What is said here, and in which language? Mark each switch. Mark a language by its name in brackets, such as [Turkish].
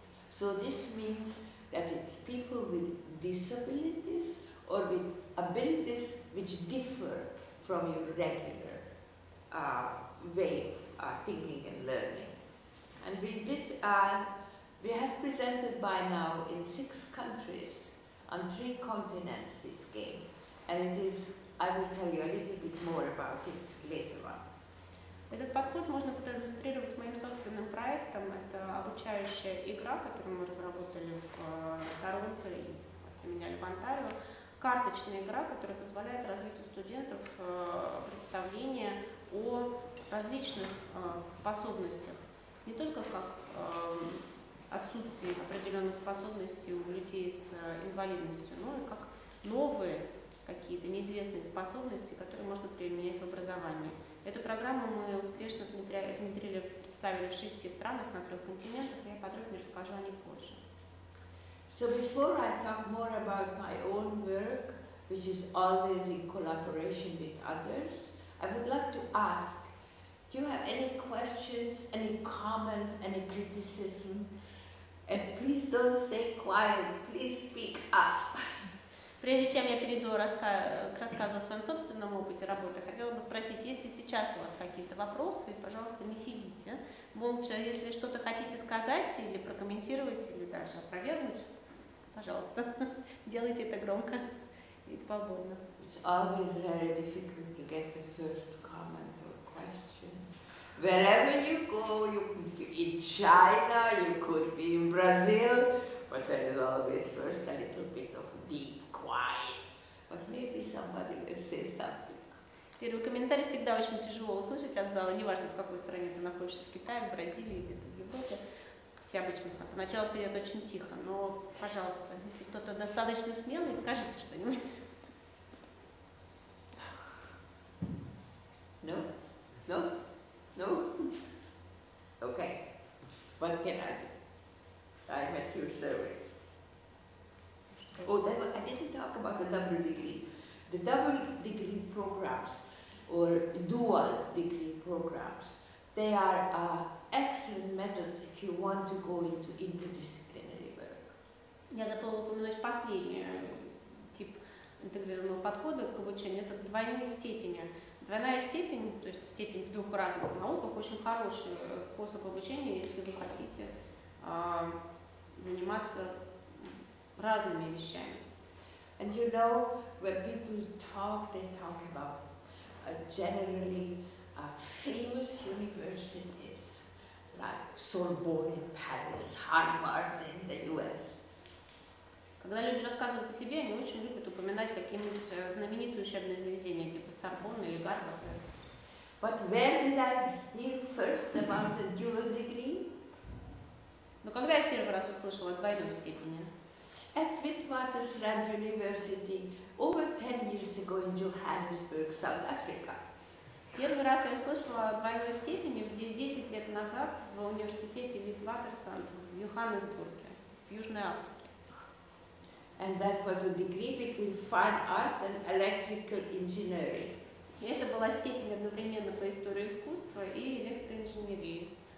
[English] So this means that it's people with disabilities or with abilities which differ from your regular way of thinking and learning. And we have presented by now in 6 countries on 3 continents this game, and it is, I will tell you a little bit more about it later on. [Russian] Этот подход можно проиллюстрировать моим собственным проектом. Это обучающая игра, которую мы разработали в Торонто и применяли в Онтарио. Карточная игра, которая позволяет развить у студентов представление о различных способностях, не только как отсутствие определенных способностей у людей с инвалидностью, но и как новые какие-то неизвестные способности, которые можно применять в образовании. Эту программу мы успешно внедрили, представили в 6 странах на 3 континентах, я подробнее расскажу о ней позже. [English] So before I talk more about my own work, which is always in collaboration with others, I would like to ask, do you have any questions, any comments, any criticism? And please don't stay quiet, please speak up. [Russian] Прежде чем я перейду к рассказу о своем собственном опыте работы, хотела бы спросить, есть ли сейчас у вас какие-то вопросы, пожалуйста, не сидите. Молча, если что-то хотите сказать или прокомментировать, или даже опровергнуть, пожалуйста, делайте это громко и свободно. [English] It's always very difficult to get the first comment or question. Wherever you go, you in China, you could be in Brazil, but there is always first a little bit of deep quiet. But maybe somebody will say something. [Russian] Первый комментарий всегда очень тяжело услышать от зала, неважно в какой стране ты находишься, в Китае, в Бразилии или в Европе. Все обычно поначалу сидят очень тихо, но, пожалуйста, если кто-то достаточно смелый, скажите что-нибудь. [English] No? No? No? Okay. What can I do? I'm at your service. Oh, I didn't talk about the double degree. The double degree programs or dual degree programs. They are excellent methods if you want to go into interdisciplinary work. [Russian] Я забыла упомянуть последний тип интегрированного подхода к обучению. Это двойные степени. Двойная степень, то есть степень в двух разных науках, очень хороший способ обучения, если вы хотите заниматься разными вещами. [English] And you know, when people talk, they talk about generally famous universities like Sorbonne in Paris, Harvard in the US. [Russian] Когда люди рассказывают о себе, они очень любят упоминать какие-нибудь знаменитые учебные заведения, типа Сорбонна или Гарварда. [English] But where did I hear first about the dual degree? [Russian] Но когда я первый раз услышала о двойном степени? [English] At Witwatersrand University over 10 years ago in Johannesburg, South Africa. [Russian] Первый раз я услышала о двойной степени 10 лет назад в университете Witwatersrand в Йоханнесбурге, в Южной Африке. [English] And that was a degree between fine art and electrical engineering. [Russian] Это была степень одновременно по истории искусства и электроинженерии.